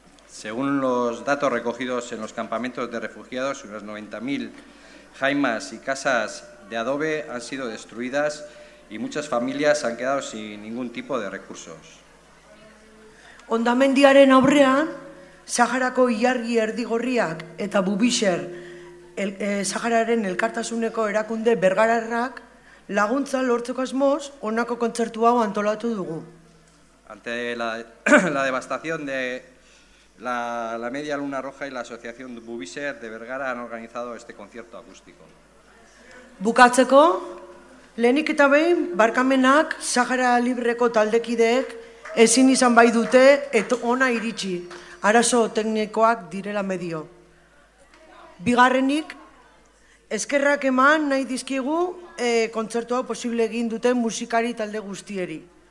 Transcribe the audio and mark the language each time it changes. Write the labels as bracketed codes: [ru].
[es] Según los datos recogidos en los campamentos de refugiados, unas 90.000 jaimas y casas de adobe han sido destruidas y muchas familias han quedado sin ningún tipo de recursos. [eu] Hondamendiaren aurrean, Saharako ilargi erdigorriak eta Bubisher, Sahararen elkartasuneko erakunde bergararrak, laguntza lortzeko asmoz, honako kontzertu hau antolatu dugu. [es] Ante la devastación de La Media Luna Roja y la Asociación Bubisher de Vergara han organizado este concierto acústico. [eu] Bukatzeko, lehenik eta behin, barkamenak Sahara Libreko taldekideek ezin izan bai dute eta ona iritsi, arazo teknikoak direla medio. Bigarrenik, eskerrak eman nahi dizkigu kontzertu hau posible egin duten musikari talde guztieri.